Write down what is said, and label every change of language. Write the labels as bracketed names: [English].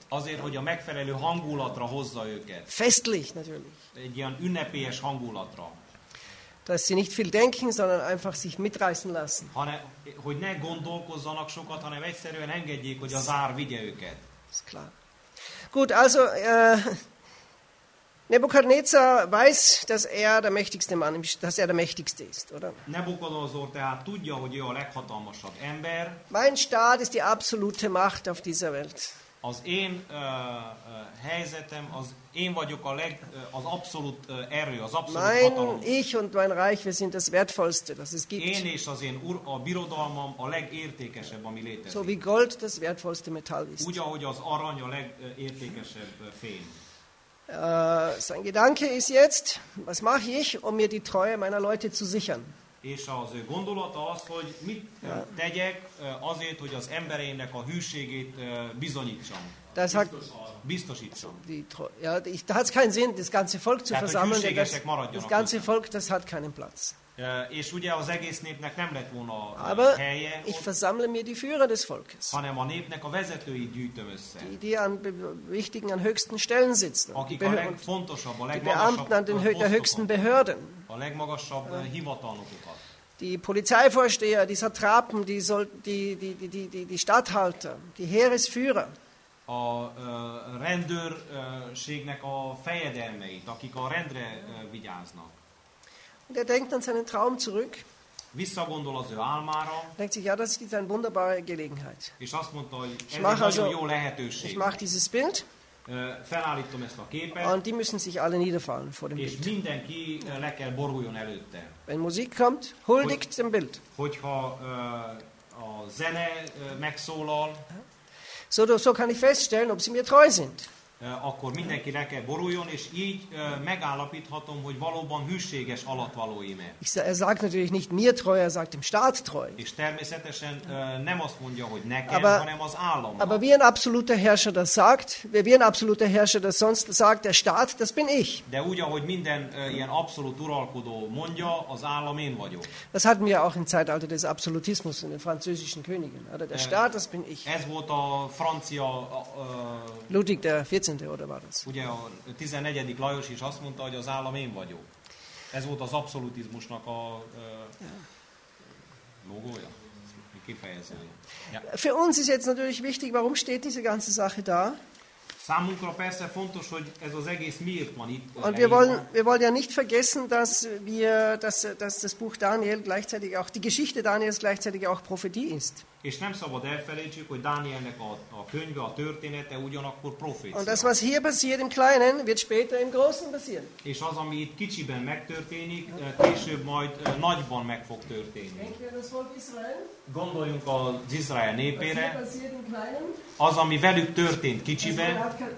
[Hungarian] Azért, hogy a megfelelő hangulatra hozza őket. [German] Festlich, natürlich. [Hungarian] Egy ilyen ünnepélyes hangulatra. [German] Dass sie nicht viel denken, sondern einfach sich mitreißen lassen. [Hungarian] Hogy ne gondolkozzanak sokat, hanem egyszerűen engedjék, hogy az ár vigye őket. [German] Ist klar. Gut, also Nebukadnezar weiß, dass er der mächtigste ist, oder? [Hungarian] Nebukadnezar tehát tudja, hogy ő a leghatalmasabb ember. [German] Mein Staat ist die absolute Macht auf dieser Welt. [Hungarian] Az én helyzetem, az én vagyok az abszolút erő, az abszolút hatalom. [German] Ich und mein Reich, wir sind das wertvollste, das es gibt. [Hungarian] Én és az én a birodalmam a legértékesebb, ami létezik. [German] So wie Gold das wertvollste Metall ist. [Hungarian] Úgy, ahogy az arany a legértékesebb fény. [German] Sein Gedanke ist jetzt, was mache ich, um mir die Treue meiner Leute zu sichern? [Hungarian] És az ő gondolata az, hogy mit tegyek azért, hogy az embereinek a hűségét bizonyítsam. Biztosítsam. [German] Das hat keinen Sinn, das ganze Volk zu versammeln. Das ganze Volk, das hat keinen Platz. [Hungarian] És ugye az egész népnek nem lett volna [German] aber [Hungarian] helye. [German] Ich versammle mir die Führer des Volkes. [Hungarian] Hanem a népnek a vezetőit gyűjtöm össze. [German] Die an wichtigen, an höchsten Stellen sitzen. [Hungarian] Akik a legfontosabb, a legmagasabb [German] die Beamten an den der höchsten Behörden. [Hungarian] A legmagasabb hivatalnokokat. [German] Die Polizeivorsteher, die Satrapen, die Statthalter, die Heeresführer. [Hungarian] A rendőrségnek a fejedelmeit, akik a rendre vigyáznak. [German] Und er denkt an seinen Traum zurück. [Hungarian] Visszagondol az ő álmára. [German] Denkt sich, ja, das ist eine wunderbare Gelegenheit. [Hungarian] És azt mondta, hogy ez egy nagyon jó lehetőség. [German] Ich mache dieses Bild. [Hungarian] Felállítom ezt a képet. [German] Und die müssen sich alle niederfallen vor dem [Hungarian] és [German] Bild. [Hungarian] És mindenki le kell boruljon előtte. [German] Wenn Musik kommt, huldigt dem Bild. [Hungarian] Hogyha a zene megszólal. [German] So kann ich feststellen, ob sie mir treu sind. [Hungarian] akkor mindenki le kell boruljon, és így megállapíthatom, hogy valóban hűséges alattvalóim-e. [German] Er sagt natürlich nicht mir treu, er sagt dem Staat treu. [Hungarian] És természetesen nem azt mondja, hogy nekem, [German] aber, [Hungarian] hanem az államnak. [German] Aber wie ein absoluter Herrscher das sagt, wie ein absoluter Herrscher das sonst sagt, der Staat, das bin ich. [Hungarian] De úgy, ahogy minden ilyen abszolút uralkodó mondja, az állam én vagyok. [German] Das hatten wir auch im Zeitalter des Absolutismus in den französischen Königen. Oder der Staat, das bin ich. [Hungarian] Ez volt a francia... [German] Ludwig der 14. oder war das? [Hungarian] Ugye a 14. Lajos is azt mondta, hogy az állam én vagyok. Ez volt az abszolutizmusnak a logója, kifejezője. [German] Für uns ist jetzt natürlich wichtig, warum steht diese ganze Sache da? [Hungarian] Számunkra persze fontos, hogy ez az egész miért van itt. [German] Und wir wollen ja nicht vergessen, dass wir dass das Buch Daniel gleichzeitig auch die Geschichte Daniels gleichzeitig auch Prophetie ist. [Hungarian] És nem szabad elfelejtsük, hogy Dánielnek a könyve, a története ugyanakkor profécia. [German] Und das, was hier passiert im Kleinen, wird später im Großen passieren. [Hungarian] És az, ami itt kicsiben megtörténik, később majd nagyban meg fog történni. Gondoljunk az Izrael népére. Az, ami velük történt kicsiben.